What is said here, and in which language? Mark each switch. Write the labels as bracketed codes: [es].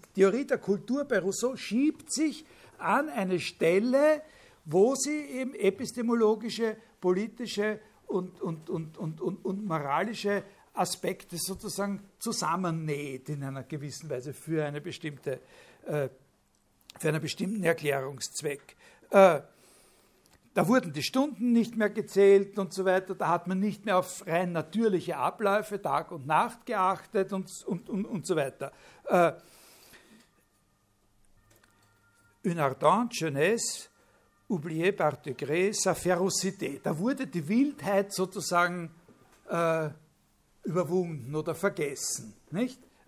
[de] Die Theorie der Kultur bei Rousseau schiebt sich an eine Stelle, wo sie eben epistemologische, politische und moralische Aspekte sozusagen zusammennäht in einer gewissen Weise für eine bestimmte, für einen bestimmten Erklärungszweck. Da wurden die Stunden nicht mehr gezählt und so weiter, da hat man nicht mehr auf rein natürliche Abläufe, Tag und Nacht geachtet und so weiter. [fr] Une ardente jeunesse, oubliée par degré, sa férocité. [de] Da wurde die Wildheit sozusagen überwunden oder vergessen. Nicht?